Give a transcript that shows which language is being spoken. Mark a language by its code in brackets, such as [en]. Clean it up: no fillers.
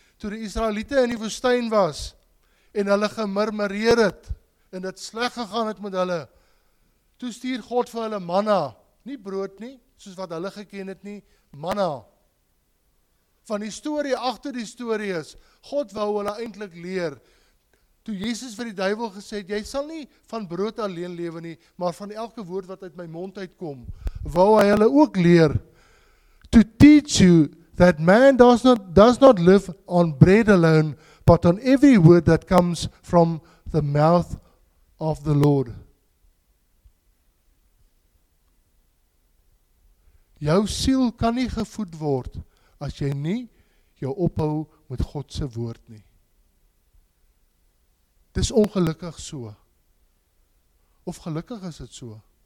[af] Toe die Israeliete in die woestyn was en hulle gemurmureer het en dit sleg gegaan het met hulle, toe stuur God vir hulle manna, nie brood nie, soos wat hulle geken het nie, manna. Van die storie agter die storie is, God wou hulle eintlik leer. Toe Jesus vir die duiwel gesê het, jy sal nie van brood alleen lewe nie, maar van elke woord wat uit my mond uitkom, wou hy hulle ook leer. [en] To teach you that man does not live on bread alone, but on every word that comes from the mouth of the Lord. [af] Jou siel kan nie gevoed word as jy nie jou ophou met God se woord nie. Dis ongelukkig so. Of gelukkig is dit so.